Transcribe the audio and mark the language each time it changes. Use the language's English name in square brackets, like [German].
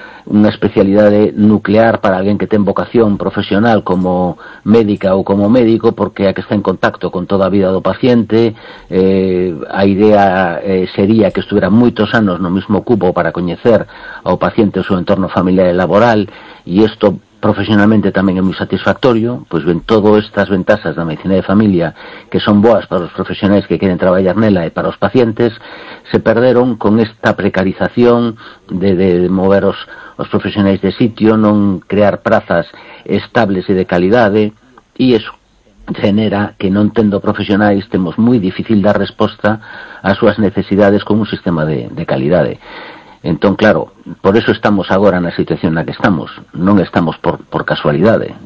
[Spanish] una especialidad de nuclear para alguien que tenga vocación profesional como médica o como médico, porque hay que estar en contacto con toda [Galician] a vida do paciente. A idea sería que estuvieran moitos anos no mismo cubo para coñecer ao paciente o seu entorno familiar e laboral, e isto profesionalmente tamén é moi satisfactorio, pois ven todas estas ventaxas da medicina de familia, que son boas para os profesionais que queren traballar nela e para os pacientes, se perderon con esta precarización de mover os profesionais de sitio, non crear prazas estables e de calidade, e eso genera que, non tendo profesionais, temos moi difícil dar resposta ás súas necesidades con un sistema de calidade. Entón, claro, por eso estamos agora na situación na que estamos. Non estamos por casualidade.